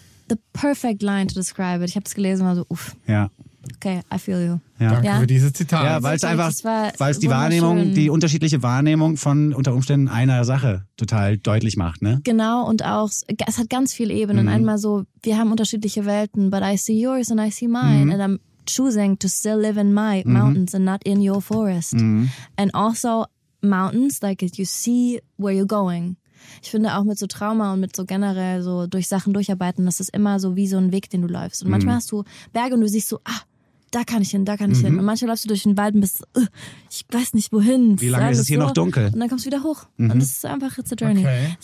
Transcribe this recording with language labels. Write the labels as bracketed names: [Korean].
[English] the perfect line to describe it. [German] Ich habe es gelesen und war so, uff. Ja. [English] Okay, I feel you. [German] Ja. Danke für dieses Zitat. Ja, weil es einfach, weil es die Wahrnehmung, die unterschiedliche Wahrnehmung von unter Umständen einer Sache total deutlich macht, ne? Genau, und auch, es hat ganz viele Ebenen. Mhm. Einmal so, wir haben unterschiedliche Welten, [English] but I see yours and I see mine. Mhm. And I'm choosing to still live in my mountains and not in your forest. Mhm. And also mountains, like you see where you're going. [German] Ich finde auch mit so Trauma und mit so generell so durch Sachen durcharbeiten, das ist immer so wie so ein Weg, den du läufst. Und manchmal hast du Berge und du siehst so, ah, da kann ich hin, da kann ich hin. Und manchmal läufst du durch den Wald und bist, ich weiß nicht wohin. Wie lange ist es hier noch dunkel? Und dann kommst du wieder hoch. Und das ist einfach, [English] it's a journey. Okay.